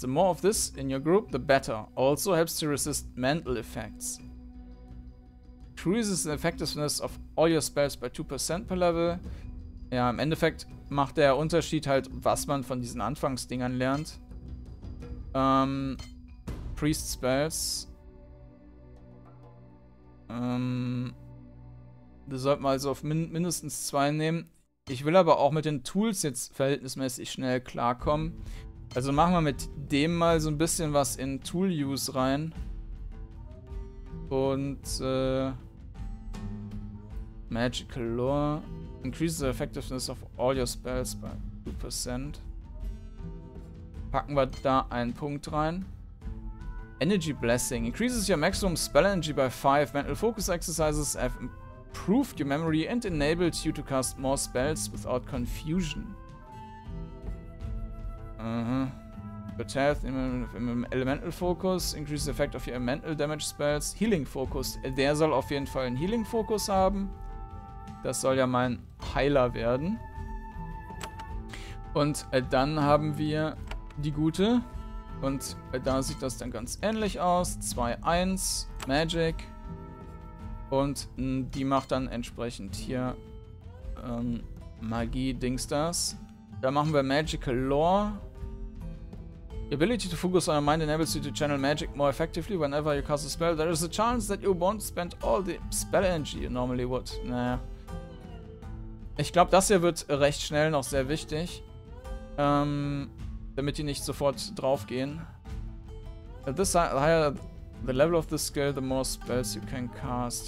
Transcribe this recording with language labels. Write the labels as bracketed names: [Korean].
[English] The more of this in your group, the better. Also helps to resist mental effects. Increases the effectiveness of all your spells by 2% per level. [German] Ja, im Endeffekt macht der Unterschied halt, was man von diesen Anfangsdingern lernt. [English] Priest Spells. [German] Das sollten wir also auf mindestens 2 nehmen. Ich will aber auch mit den Tools jetzt verhältnismäßig schnell klarkommen. Also machen wir mit dem mal so ein bisschen was in Tool Use rein. Und Magical Lore. [English] Increase the effectiveness of all your spells by 2%. [German] Packen wir da einen Punkt rein. Energy Blessing. [English] Increases your maximum spell energy by 5. Mental focus exercises have improved your memory and enabled you to cast more spells without confusion. Good health, elemental focus. Increase the effect of your mental damage spells. Healing focus. [German] Der soll auf jeden Fall einen Healing Focus haben. Das soll ja mein Heiler werden. Und dann haben wir die gute. Und da sieht das dann ganz ähnlich aus. 2-1, Magic. Und die macht dann entsprechend hier Magie-Dingsters. Da machen wir Magical Lore. [English] The ability to focus on your mind enables you to channel magic more effectively whenever you cast a spell. There is a chance that you won't spend all the spell energy you normally would. [German] Naja. Ich glaube, das hier wird recht schnell noch sehr wichtig. Damit die nicht sofort drauf gehen. [English] Higher the level of the skill, the more spells you can cast.